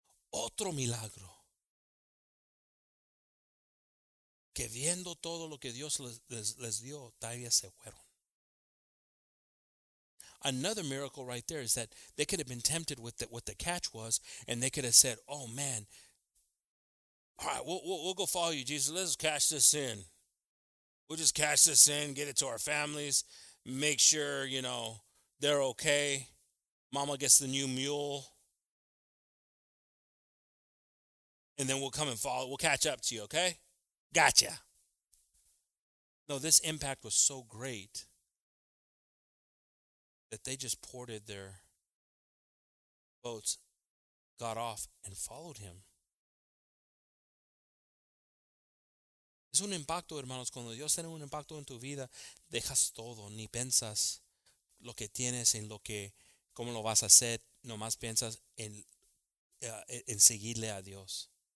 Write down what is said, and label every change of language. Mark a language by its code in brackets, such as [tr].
[es] Otro milagro. Que viendo todo lo que Dios les dio, todavía se fueron. [en] Another miracle right there is that they could have been tempted with what the catch was, and they could have said, oh man, all right, we'll go follow you, Jesus. Let's cash this in. We'll just cash this in, get it to our families, make sure, you know, they're okay. Mama gets the new mule. And then we'll come and follow. We'll catch up to you, okay? Gotcha. No, this impact was so great that they just ported their boats, got off, and followed him. [es] Es un impacto, hermanos. Cuando Dios tiene un impacto en tu vida, dejas todo. Ni piensas lo que tienes en lo que, cómo lo vas a hacer. Nomás piensas en seguirle a Dios.